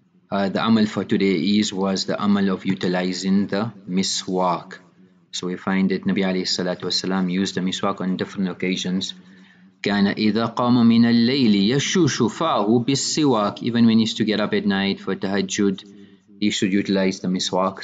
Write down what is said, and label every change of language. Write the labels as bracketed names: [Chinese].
[English] The amal for today was the amal of utilizing the miswak. So we find that Nabi alayhi salatu wasalam used the miswak on different occasions. [Arabic] كان إذا قام من الليل يشوش فاه بالسواك. [English] Even when he's to get up at night for tahajjud, he should utilize the miswak.